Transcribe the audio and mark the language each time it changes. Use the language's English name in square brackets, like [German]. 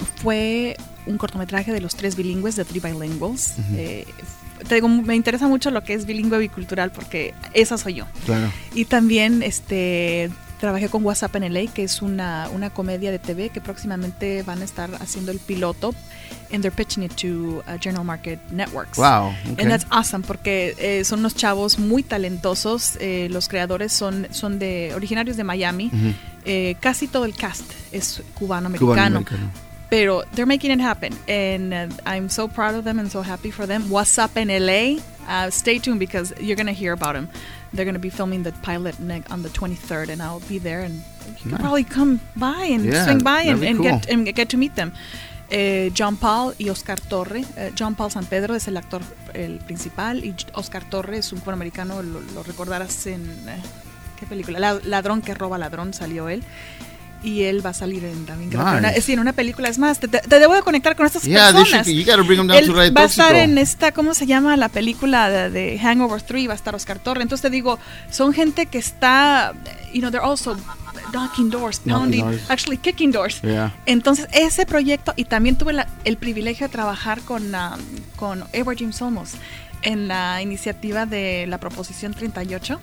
[Spanish] Fue un cortometraje de los tres bilingües, de Three Bilinguals. Uh-huh. Te digo, me interesa mucho lo que es bilingüe bicultural porque esa soy yo. Claro. Y también trabajé con WhatsApp en LA, que es una comedia de TV que próximamente van a estar haciendo el piloto. [English] And they're pitching it to General Market Networks. Wow. Okay. And that's awesome [Spanish] porque son unos chavos muy talentosos. Los creadores son de originarios de Miami. Mm-hmm. Casi todo el cast es cubano-americano. Pero [English] they're making it happen. And I'm so proud of them and so happy for them. WhatsApp in LA. Stay tuned because you're going to hear about them. They're going to be filming the pilot on the 23rd, and I'll be there. And you can probably come by and swing by and get to meet them. [Spanish] John Paul y Oscar Torre. John Paul San Pedro es el actor el principal, y Oscar Torre es un cubano-americano. Lo recordarás en... ¿qué película? Ladrón que roba ladrón, salió él. Y él va a salir en también, creo, en una película. Es más, te debo de conectar con estas personas. Él va a estar en esta, ¿cómo se llama? La película de Hangover 3, va a estar Oscar Torre. Entonces te digo, son gente que está, [English] you know, they're also knocking doors, pounding, actually kicking doors. Yeah. [Spanish] Entonces ese proyecto, y también tuve el privilegio de trabajar con Edward James Olmos en la iniciativa de la Proposición 38.